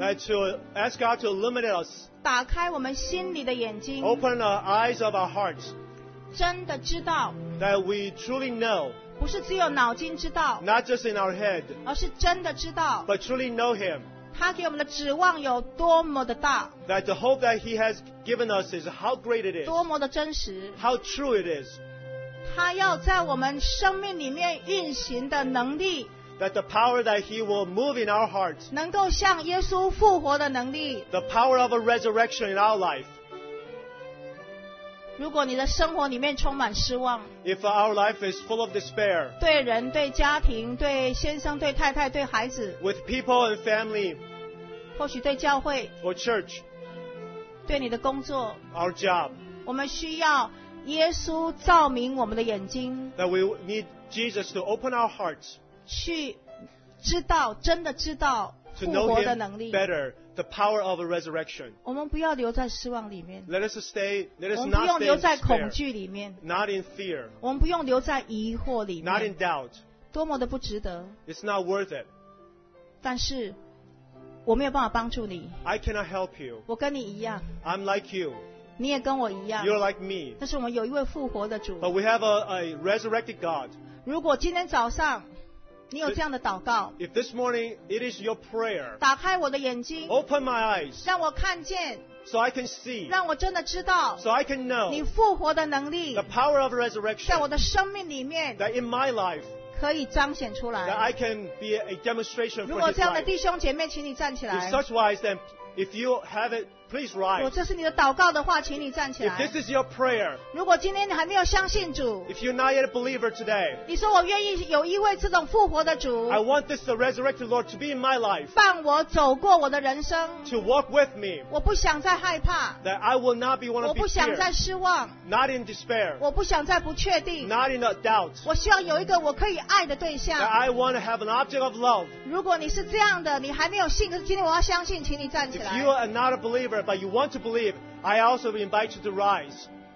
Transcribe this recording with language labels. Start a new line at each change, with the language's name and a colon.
English: and to ask God to illuminate us,
Chinese: 打开我们心里的眼睛
English: open the eyes of our hearts,
Chinese: 真的知道
English: that we truly know,
Chinese: 不是只有脑筋知道
English: Not just in our head,
Chinese: 而是真的知道
English: but truly know him,
Chinese: 他给我们的指望有多么的大
English: that the hope that he has given us is how great it is,
Chinese: 多么的真实
English: how true it is,
Chinese: 他要在我们生命里面运行的能力
English: that the power that he will move in our hearts,
Chinese: 能够像耶稣复活的能力
English: the power of a resurrection in our life,
Chinese: 如果你的生活里面充满失望
English: If our life is full of despair,
Chinese: 对人、对家庭、对先生、对太太、对孩子
English: with people and family,
Chinese: 或许对教会
English: or church,
Chinese: 对你的工作
English: our job,
Chinese: 我们需要耶稣照明我们的眼睛
English: that we need Jesus to open our hearts,
Chinese: 去知道、真的知道复活的能力
English: better, the power of a resurrection.
Chinese: 我们不要留在失望里面
English: Let us stay, let us
Chinese: 我们不用留在恐惧里面
English: Not in fear.
Chinese: 我们不用留在疑惑里面
English: Not in doubt.
Chinese: 多么的不值得
English: It's not worth it.
Chinese: 但是我没有办法帮助你。
English: I cannot help you.
Chinese: 我跟你一样。
English: I'm like you.
Chinese: 你也跟我一样。
English: You're like me.
Chinese: 但是我们有一位复活的主。
English: But we have a resurrected God.
Chinese: 如果今天早上你有这样的祷告。
English: If this morning it is your prayer.
Chinese: 打开我的眼睛。
English: Open my eyes.
Chinese: 让我看见。
English: So I can see.
Chinese: 让我真的知道。
English: So I can know.
Chinese: 你复活的能力。
English: The power of resurrection.
Chinese: 在我的生命里面。
English: That in my life.
Chinese: 可以彰显出来。
English: That I can be a demonstration for his life.
Chinese: 如果这样的弟兄姐妹，请你站起来。
English: In such wise, then, if you have it, please rise.
Chinese: 如果这是你的祷告的话，请你站起来。
English: If this is your prayer.
Chinese: 如果今天你还没有相信主。
English: If you're not yet a believer today.
Chinese: 你说我愿意有一位这种复活的主。
English: I want this the resurrected Lord to be in my life.
Chinese: 放我走过我的人生。
English: To walk with me.
Chinese: 我不想再害怕。
English: That I will not be one of the fear.
Chinese: 我不想再失望。
English: Not in despair.
Chinese: 我不想再不确定。
English: Not in a doubt.
Chinese: 我希望有一个我可以爱的对象。
English: That I want to have an object of love.
Chinese: 如果你是这样的，你还没有信，可是今天我要相信，请你站起来。
English: If you are not a believer, but you want to believe, I also invite you to rise.